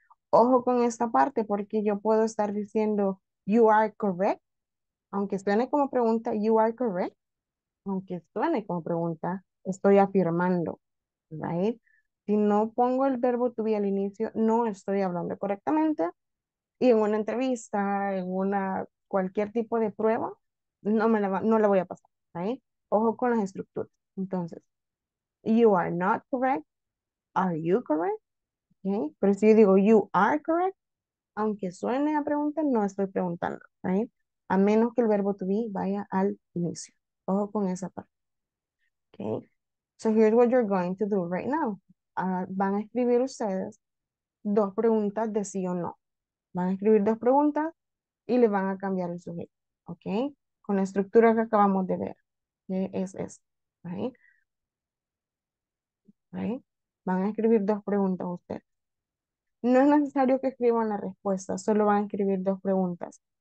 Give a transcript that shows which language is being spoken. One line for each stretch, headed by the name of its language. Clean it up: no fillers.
Spanish: Ojo con esta parte porque yo puedo estar diciendo
English: you are correct,
Spanish: aunque suene como pregunta, you are correct, aunque suene como pregunta, estoy afirmando,
English: right?
Spanish: Si no pongo el verbo to be al inicio, no estoy hablando correctamente. Y en una entrevista, en una cualquier tipo de prueba, no la voy a pasar, ¿sí? Ojo con las estructuras. Entonces,
English: you are not correct, are you correct?
Spanish: ¿Sí? Pero si yo digo
English: you are correct,
Spanish: aunque suene a pregunta, no estoy preguntando, ¿sí? A menos que el verbo to be vaya al inicio. Ojo con esa parte. ¿Sí?
English: So here's what you're going to do right now.
Spanish: Van a escribir ustedes dos preguntas de sí o no. Van a escribir dos preguntas y le van a cambiar el sujeto, ¿ok? Con la estructura que acabamos de ver, que es esta, ¿ok? ¿Ok? Van a escribir dos preguntas ustedes. No es necesario que escriban la respuesta, solo van a escribir dos preguntas.